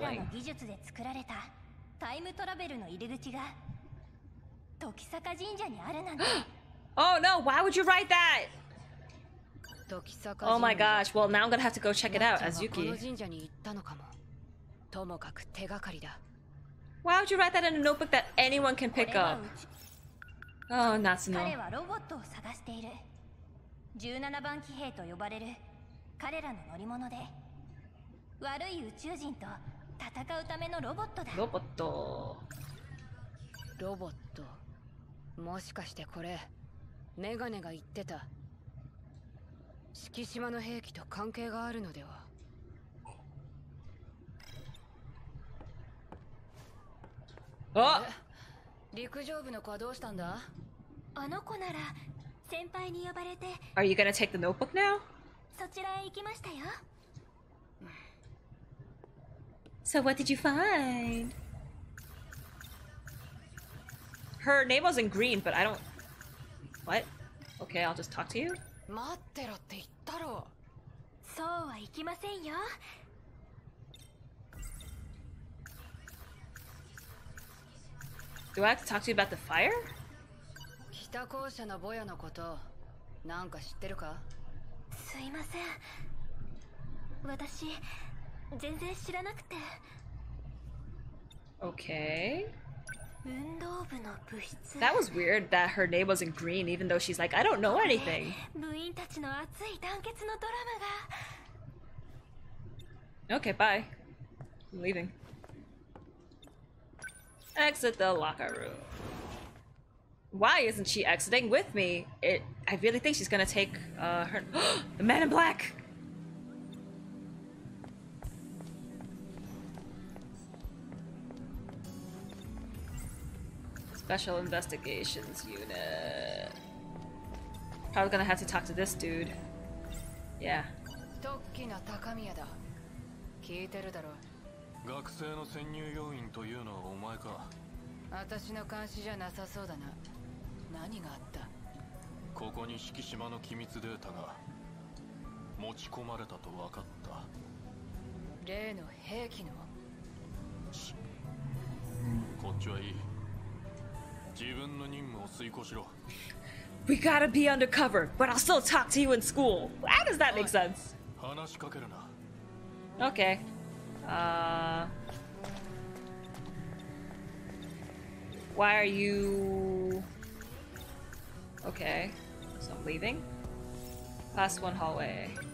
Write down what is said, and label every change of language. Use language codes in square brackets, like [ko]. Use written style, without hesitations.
[ja] 彼らの技術で作られたタイムトラベルの入り口が。時坂神社にあるなんて。 [en] Oh no! Why would you write that? Oh my gosh! Well, now I'm gonna have to go check it out, Azuki. [ja] この神社に行ったのかも。ともかく手がかりだ。 [en] Why would you write that in a notebook that anyone can pick up? Oh, Natsuno. [ja] 彼はロボットを探している。17番騎兵と呼ばれる彼らの乗り物で、悪い宇宙人と戦うためのロボットだ。ロボット。ロボット。もしかしてこれメガネが言ってた四季島の兵器と関係があるのでは。あ、陸上部の子はどうしたんだ。あの子なら先輩に呼ばれて。 [en] Are you gonna take the notebook now? [ja] そちらへ行きましたよ。 [en] So what did you find? Her name was in green, but I don't. What? Okay, I'll just talk to you. [ja] Matteろって言ったろ。そうはいきませんよ。 [en] Do I have to talk to you about the fire? [ja] 北校舎のボヤのこと、なんか知ってるか？すいません。私、全然知らなくて。 [en] Okay. [ja] 運動部の部室。 [en] That was weird that her name was in green even though she's like, I don't know anything. [ja] 部員たちの熱い団結のドラマが。 [en] Okay, bye. I'm leaving. Exit the locker room. Why isn't she exiting with me? I really think she's gonna take her- The man in black! Special Investigations Unit. Probably gonna have to talk to this dude. Yeah. [ja] 特技な高宮だ。聞いてるだろ。学生の潜入要員というのはお前か。私の監視じゃなさそうだな。何があった？ここに敷島の機密データが持ち込まれたと分かった。例の兵器の？こっちはいい。自分の任務を遂行しろ。 [en] We gotta be undercover, but I'll still talk to you in school. How does that make sense? [ja] 話しかけるな。 [en] Okay. Why are you? Okay. So I'm leaving. Past one hallway.